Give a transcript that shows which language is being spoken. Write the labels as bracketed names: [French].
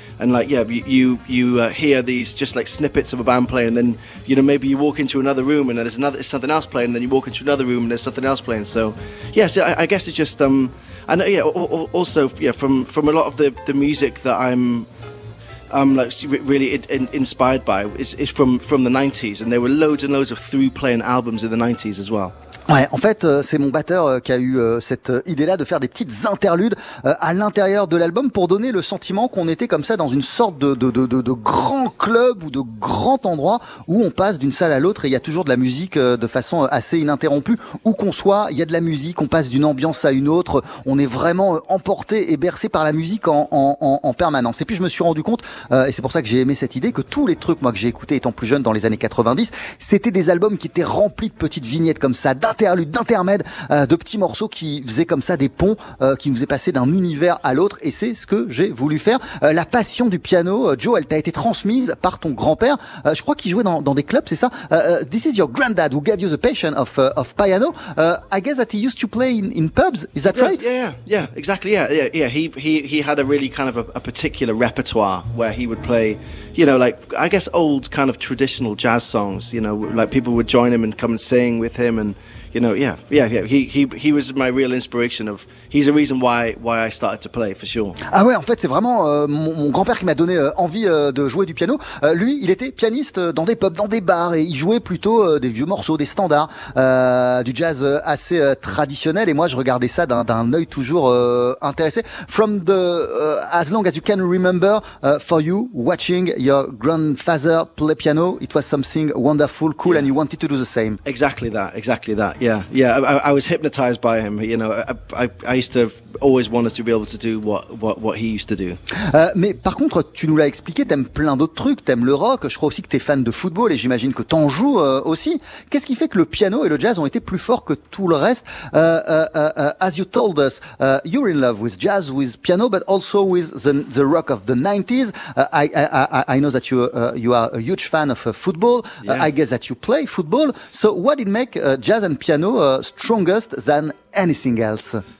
[English] and like yeah, you hear these just like snippets of a band playing, and then you know maybe you walk into another room and there's another something else playing, and then you walk into another room and there's something else playing. So yes, yeah, so I guess it's just from a lot of the music that I'm really inspired by is from the 90s, and there were loads and loads of through playing albums in the 90s as well. [French] Ouais, en fait, c'est mon batteur qui a eu cette idée-là de faire des petites interludes à l'intérieur de l'album pour donner le sentiment qu'on était comme ça dans une sorte de grand club ou de grand endroit où on passe d'une salle à l'autre et il y a toujours de la musique de façon assez ininterrompue. Où qu'on soit, il y a de la musique, on passe d'une ambiance à une autre, on est vraiment emporté et bercé par la musique en permanence. Et puis je me suis rendu compte, et c'est pour ça que j'ai aimé cette idée, que tous les trucs moi que j'ai écoutés étant plus jeune dans les années 90, c'était des albums qui étaient remplis de petites vignettes comme ça, d'interludes, d'intermèdes, de petits morceaux qui faisaient comme ça des ponts, qui nous faisaient passer d'un univers à l'autre, et c'est ce que j'ai voulu faire. La passion du piano, Joe, elle t'a été transmise par ton grand-père, je crois qu'il jouait dans des clubs, c'est ça? [English] This is your granddad who gave you the passion of piano. I guess that he used to play in pubs, is that right? Yeah, exactly. He had a really kind of a particular repertoire where he would play, you know, like, I guess old kind of traditional jazz songs, you know, like people would join him and come and sing with him and, you know, yeah. He was my real inspiration of, he's a reason why I started to play, for sure. [French] Ah ouais, en fait, c'est vraiment mon grand-père qui m'a donné envie de jouer du piano. Lui, il était pianiste dans des pubs, dans des bars, et il jouait plutôt des vieux morceaux, des standards, du jazz assez traditionnel, et moi, je regardais ça d'un œil toujours intéressé. [English] From the, as long as you can remember, for you, watching your grandfather play piano, it was something wonderful, cool, yeah. And you wanted to do the same. Exactly that. Yeah, I was hypnotized by him, you know, I used to always wanted to be able to do what he used to do. [French] Mais par contre, tu nous l'as expliqué, t'aimes plein d'autres trucs, t'aimes le rock, je crois aussi que t'es fan de football et j'imagine que t'en joues aussi. Qu'est-ce qui fait que le piano et le jazz ont été plus forts que tout le reste? [English] As you told us, you're in love with jazz, with piano, but also with the rock of the 90s. I know that you are a huge fan of football. Yeah. I guess that you play football. So what did make jazz and piano strongest than anything else?